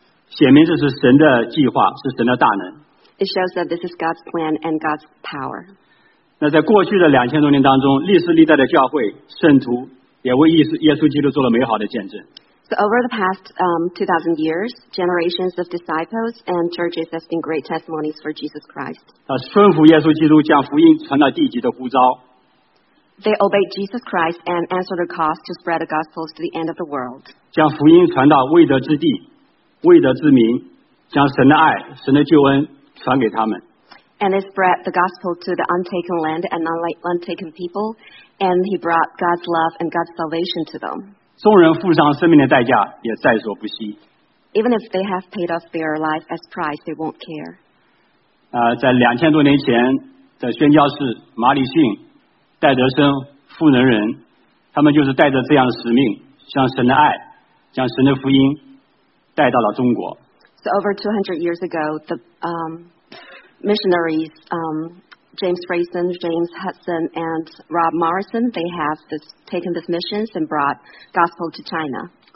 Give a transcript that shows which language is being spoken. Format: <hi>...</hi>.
<zh>显明这是神的计划，是神的大能。</zh> <en>It shows that this is God's plan and God's power.</en> <zh>那在过去的两千多年当中，历史历代的教会圣徒也为耶稣基督做了美好的见证。</zh> <en>So over the past 2,000 years, generations of disciples and churches have been great testimonies for Jesus Christ.</en> <zh>顺服耶稣基督将福音传到地极的呼召。</zh> <en>They obeyed Jesus Christ and answered the call to spread the gospel to the end of the world.</en> <zh>将福音传到未得之地、未得之民，将神的爱、神的救恩传给他们。</zh> <en>And he spread the gospel to the untaken land and untaken people, and he brought God's love and God's salvation to them.</en> <zh>众人付上生命的代价也在所不惜。</zh> <en>Even if they have paid off their life as price, they won't care.</en> <zh>在两千多年前，在宣教士马里逊、戴德生、富能人，他们就是带着这样的使命，将神的爱、将神的福音带到了中国。</zh> <en>So over 200 years ago, the missionaries, James Freyson, James Hudson, and Rob Morrison, they have this, taken these missions and brought gospel to China.</en>